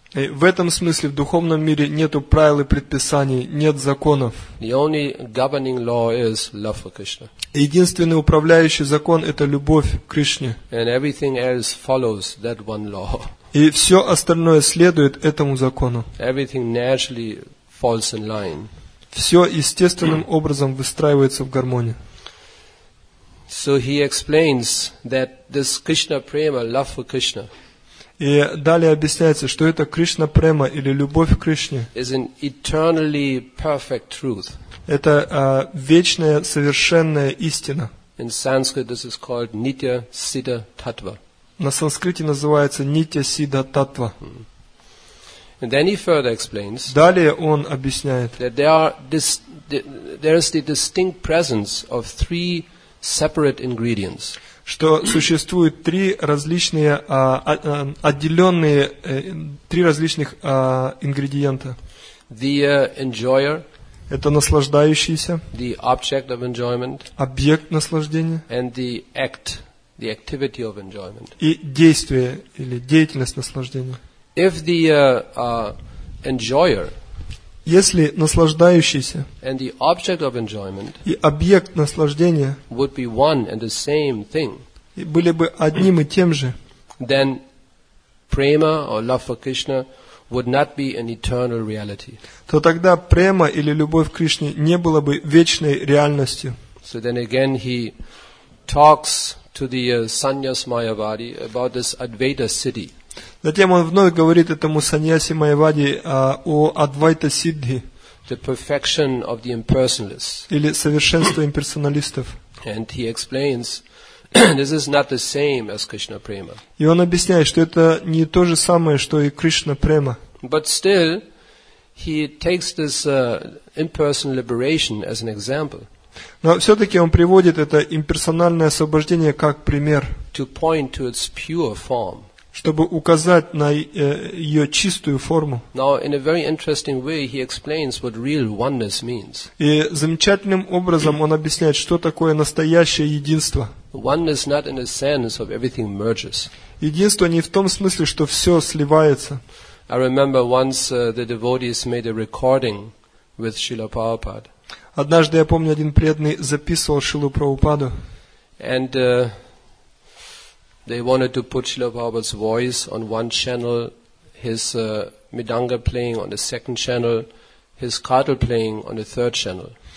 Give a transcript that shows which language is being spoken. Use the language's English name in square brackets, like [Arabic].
[Russian] И в этом смысле в духовном мире нету правил и предписаний, нет законов. [English] The only governing law is love for Krishna. [Russian] Единственный управляющий закон – это любовь к Кришне. [English] And everything else follows that one law. [Russian] И все остальное следует этому закону. [English] Everything naturally falls in line. [Russian] Все естественным образом выстраивается в гармонию. [English] So he explains that this Krishna prema, love for Krishna. [Russian] И далее объясняется, что это Кришна према или любовь к Кришне. [English] Is an eternally perfect truth. [Russian] Это вечная совершенная истина. [English] In Sanskrit this is called Nitya Siddha Tattva. [Russian] На санскрите называется Нитья Сидда Таттва. [English] And then he further explains. [Russian] Далее он объясняет. [English] That there is the distinct presence of three separate ingredients. [Russian] Что существует три различные отделенные три различных ингредиента. [English] The enjoyer. [Russian] Это наслаждающийся. [English] The object of enjoyment. [Russian] Объект наслаждения. [English] And the act, the activity of enjoyment. [Russian] И действие или деятельность наслаждения. [English] If the enjoyer. [Russian] Если наслаждающийся [English] and the object of enjoyment [Russian] и объект наслаждения [English] would be one and the same thing, [Russian] были бы одним и тем же, [English] then prema or love for Krishna would not be an eternal reality. [Russian] То тогда према или любовь к Кришне не было бы вечной реальностью. [English] So then again he talks to the Sanyas Mayavadi about this Advaita city. [Russian] Затем он вновь говорит этому саньяси Майавади о Адвайта Сиддхи, [English] the perfection of the impersonalists. [Russian] Или совершенство имперсоналистов. [English] And he explains, this is not the same as Krishna Prema. [Russian] И он объясняет, что это не то же самое, что и Кришна Према. [English] But still, he takes this impersonal liberation as an example. [Russian] Но все-таки он приводит это имперсональное освобождение как пример. [English] To point to its pure form. [Russian] Чтобы указать на ее чистую форму. [English] Now, in a very interesting way, he explains what real oneness means. [Russian] И замечательным образом он объясняет, что такое настоящее единство. [English] Oneness not in the sense of everything merges. [Russian] Единство не в том смысле, что все сливается. [English] I remember once the devotees made a recording with Srila Prabhupada. [Russian] Однажды я помню, один преданный записывал Шрилу Прабхупаду. [English] And they wanted to put Srila Prabhupada's voice on one channel, his midanga playing on the second channel, his kartal playing on the third channel.